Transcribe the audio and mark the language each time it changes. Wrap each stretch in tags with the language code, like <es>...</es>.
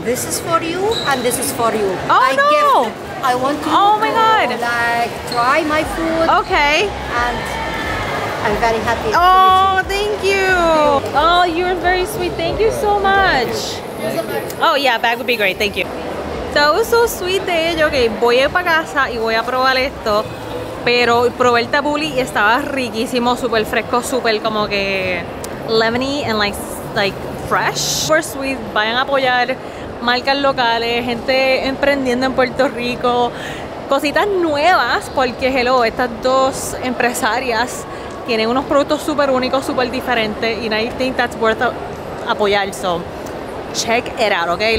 <en>This is for you and this is for you. Oh, I no. I want to try my food. Okay. And I'm very happy. Oh, thank you. Oh, you're very sweet. Thank you so much. Oh yeah, bag would be great, thank you. So, so sweet</en> <es>de ello, okay, voy a ir para casa y voy a probar esto. Pero probé el tabbouleh y estaba riquísimo, super fresco, super como que</es> <en>lemony and like fresh.</en> <es>Super sweet, vayan a apoyar marcas locales, gente emprendiendo en Puerto Rico. Cositas nuevas, porque hello, estas dos empresarias tienen unos productos super únicos, super diferentes.</es> <en>And I think that's worth</en> <es>apoyar,</es> <en>so check it out, okay?</en>